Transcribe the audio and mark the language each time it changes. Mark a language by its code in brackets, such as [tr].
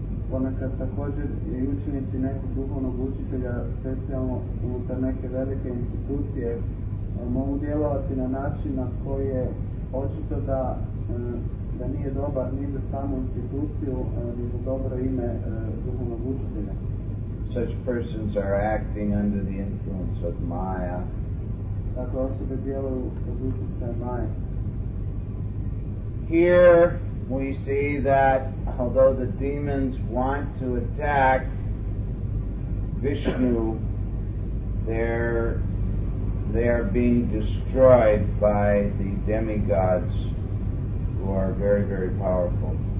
[hr] Ponekad također je učiniti nekog duhovnog učitelja specijalno unutar neke velike institucije mogu djelovati na način na koji je očito da da nije dobar ni za samu instituciju, ni za dobro ime duhovnog učitelja. [en] Such persons are acting under the influence of Maya. [hr] Dakle, osobe djeluju pod utjecajem Maje. [en] Here we see that although the demons want to attack Vishnu, they are being destroyed by the demigods who are very, very powerful.